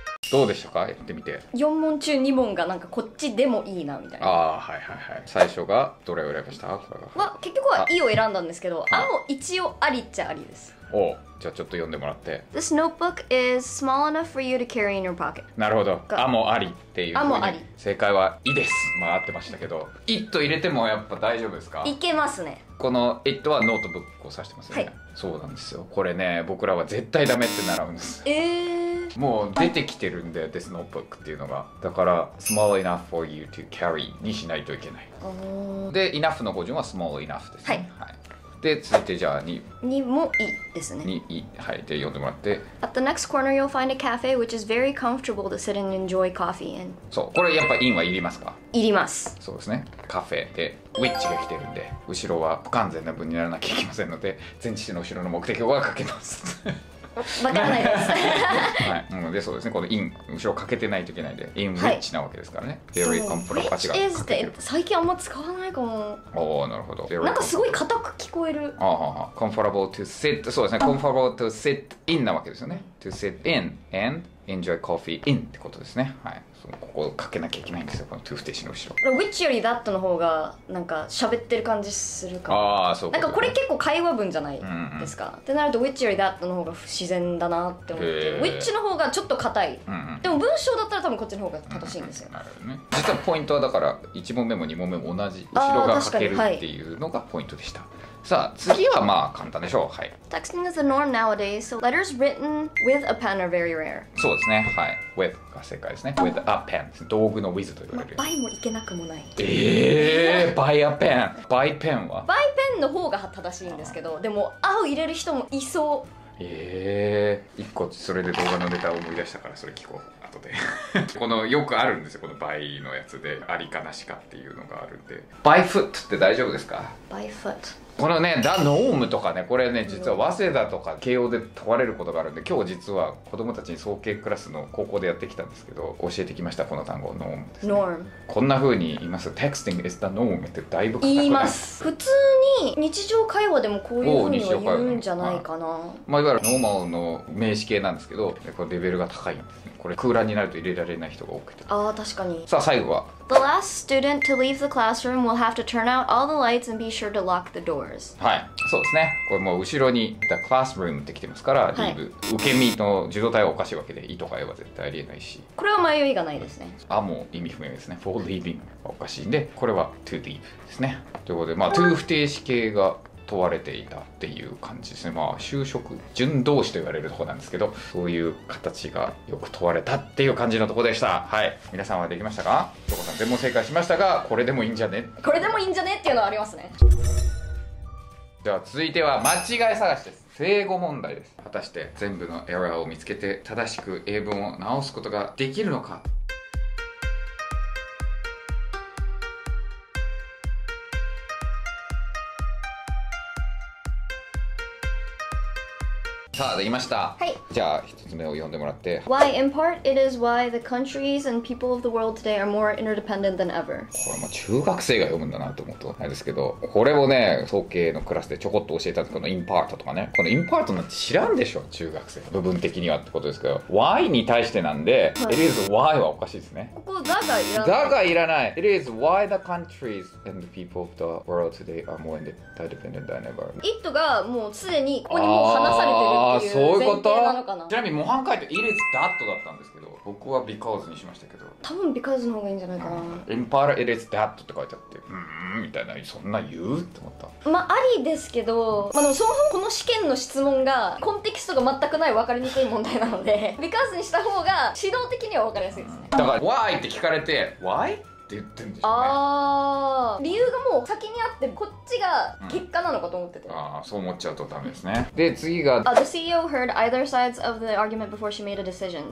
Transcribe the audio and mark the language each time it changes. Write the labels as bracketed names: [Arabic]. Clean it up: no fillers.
[Japanese] どうでしたか、やってみて。 4問中2問がなんかこっちでもいいなみたいな。ああ、はいはいはい。最初がどれを選びました？これが、まあ、結局はEを選んだんですけど、あも一応ありっちゃありです。おう、じゃあちょっと読んでもらって。 [English] This notebook is small enough for you to carry in your pocket。 [Japanese] なるほど、あもありっていう。あもあり、正解はイです。まあ合ってましたけど、イと入れてもやっぱ大丈夫ですか。いけますね。このイットはノートブックを指してますよね、はい、そうなんですよ。これね、僕らは絶対ダメって習うんです。もう出てきてるんだよ、 [English] This notebook [Japanese] っていうのが。だから [English] Small enough for you to carry [Japanese] にしないといけない。で、enough の語順は Small enough です、ね、はい、はい、で、続いてじゃあ 2もいいですね。 2、いい、はい、で読んでもらって。 [English] At the next corner you'll find a cafe which is very comfortable to sit and enjoy coffee in。 [Japanese] そう、これやっぱインはいりますか。いります。そうですね、カフェでウィッチが来てるんで、後ろは不完全な文にならなきゃいけませんので、前置詞の後ろの目的語が書けます。わからないです、はい、うん、で、そうですね、この in 後ろかけてないといけないで、 in which、はい、なわけですからね。very comfortable、 which is って最近あんま使わないかも。おお、なるほど。なんかすごい硬く聞こえる。あーはーはー、 comfortable to sit、 そうですね、 [English] comfortable to sit in [Japanese] なわけですよね。 [English] to sit in and enjoy coffee in [Japanese] ってことですね、はい、そのここをかけなきゃいけないんですよ、この to 不定詞の後ろ。 which より that の方がなんか喋ってる感じするか。あー、そう、ね、なんかこれ結構会話文じゃないですか、うんうん、ってなると which より that の方が不自然だなって思って、 which の方がちょっと硬い、うんうん、でも文章だったら多分こっちの方が正しいんですよ、うんうん、なるほどね。実はポイントはだから1問目も2問目も同じ、後ろがかけるっていうのがポイントでした。さあ次はまあ簡単でしょう、はい。 [English] Texting is the norm nowadays, so letters written with a pen are very rare. [Japanese] そうですね、はい。With が正解ですね。With a pen、道具の with と言われる。まあ、by もいけなくもない。 by a pen、by pen は？by pen の方が正しいんですけど、でも a を入れる人もいそう。一個それで動画のネタを思い出したからそれ聞こう。このよくあるんですよ、この by のやつでありかなしかっていうのがあるんで。 by foot って大丈夫ですか。 by foot、このね、 the norm とかね、これね実は早稲田とか慶応で問われることがあるんで、今日実は子供たちに早慶クラスの高校でやってきたんですけど、教えてきました、この単語 norm ですね。norm、こんな風に言います。 [English] texting is the norm [Japanese] ってだいぶ言います。普通に日常会話でもこういう風には言うんじゃないかな、まあ、いわゆる normal の名詞形なんですけど、これレベルが高いんですね。これ空欄になると入れられない人が多くて。ああ、確かに。さあ最後は [English] The last student to leave the classroom will have to turn out all the lights and be sure to lock the doors。 [Japanese] はい、そうですね、これもう後ろに The classroom って来てますから、はい、受け身の受動態はおかしいわけで、意図が合えば絶対ありえないし、これは迷いがないですね。あ、もう意味不明ですね。 for leaving はおかしいんで、これは to leave ですね。ということで、まあ、to 不定詞形が問われていたっていう感じですね。まあ就職順動詞と言われるところなんですけど、そういう形がよく問われたっていう感じのところでした。はい、皆さんはできましたか。チョコさん全問正解しましたが、これでもいいんじゃね、これでもいいんじゃねっていうのはありますね。では続いては間違い探しです。正誤問題です。果たして全部のエラーを見つけて正しく英文を直すことができるのか。さあ、できました。はい。じゃあ、一つ目を読んでもらって。 [English] Why, in part, it is why the countries and people of the world today are more interdependent than ever. [Japanese] これも中学生が読むんだなと思うと、あれですけど、これをね、統計のクラスでちょこっと教えたんですけど、このインパートとかね。このインパートなんて知らんでしょ、中学生。部分的にはってことですけど。 Why に対してなんで、It is why はおかしいですね。ここ、だがいらない。だがいらない。 [English] It is why the countries and the people of the world today are more interdependent than ever. [Japanese] It がもうすでにここにもう話されてる。ああ、そういうこと？ちなみに模範解答 [English] It is that [Japanese] だったんですけど、僕は because にしましたけど、多分 because の方がいいんじゃないかな。 [English] In part it is that [Japanese] って書いてあって、みたいな、そんな言うって思った。まあありですけど、まあ、でもそもそもこの試験の質問がコンテキストが全くない分かりにくい問題なので、because にした方が指導的には分かりやすいですね。だから why って聞かれて why？って言ってんでしょうね。あー、理由がもう先にあって、こっちが結果なのかと思ってて、うん、あー、そう思っちゃうとダメですね。で、次が、 [English] The CEO heard either sides of the argument before she made a decision.